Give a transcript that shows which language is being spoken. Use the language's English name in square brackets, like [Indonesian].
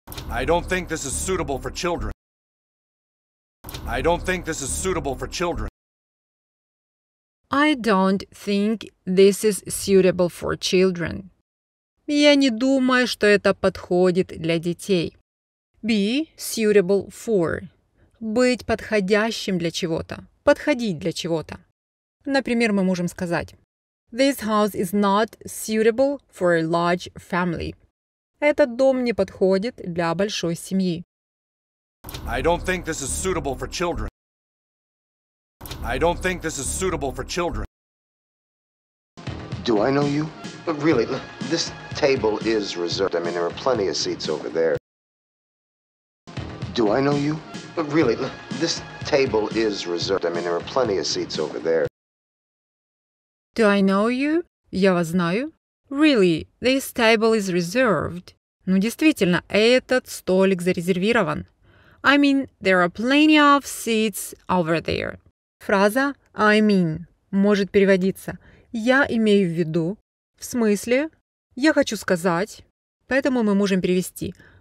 [English] I don't think this is suitable for children. I don't think this is suitable for children. I don't think this is suitable for children. [Russian] Я не думаю, что это подходит для детей. [English] Be suitable for. [Russian] Быть подходящим для чего-то. Подходить для чего-то. Например, мы можем сказать: [English] This house is not suitable for a large family. [Russian] Этот дом не подходит для большой семьи. [English] I don't think this is suitable for children. I don't think this is suitable for children. Do I know you? But really, this table is reserved. I mean, there are plenty of seats over there. Do I know you? But really, this table is reserved. I mean, there are plenty of seats over there. Do I know you? [Russian] Я вас знаю. [English] Really, this table is reserved. [Russian] Ну, действительно, этот столик зарезервирован. [English] I mean, there are plenty of seats over there. [Russian] Фраза [English] I mean [Russian] может переводиться. Я имею в виду. В смысле, я хочу сказать, поэтому мы можем перевести.